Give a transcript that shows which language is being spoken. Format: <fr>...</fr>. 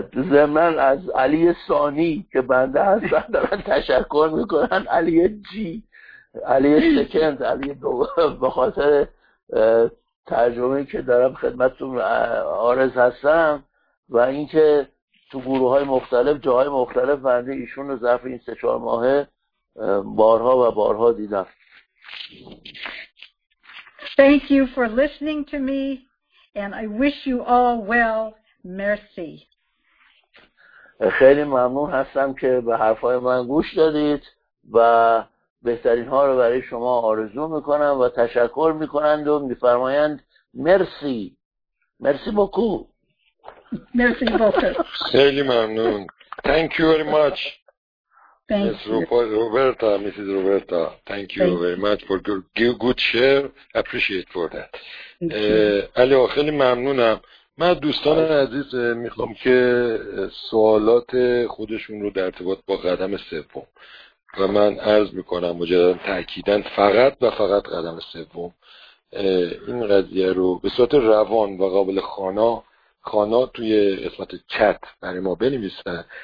<fa>زمان از علی ثانی که بنده هستم دارن تشکر میکنن، علی جی، علی سکند، علی دوم، به خاطر ترجمه که دارم خدمتتون عارض هستم و اینکه تو گروه های مختلف جاهای مختلف بنده ایشون رو ظرف این 3-4 ماه بارها و بارها دیدم.</fa> <en>Thank you for listening to me and I wish you all well.</en> <fr>Merci.</fr> <fa>خیلی ممنون هستم که به حرفای من گوش دادید و بهترین ها رو برای شما آرزو میکنم و تشکر میکنند و میفرمایند مرسی.</fa> <fr>مرسی بوکو. مرسی بوکو.</fr> <fa>خیلی ممنون.</fa> <en>Thank you very much. Thank you. Roberta, Mrs. Roberta, thank you very much for your good share. Appreciate for that. علی</en> <fa>خیلی ممنونم. من دوستان عزیز میخوام که سوالات خودشون رو در ارتباط با قدم سوم و من عرض میکنم مجددا تأکیدن فقط و فقط قدم سوم این قضیه رو به صورت روان و قابل خانا توی قسمت چت برای ما بنویسن.</fa>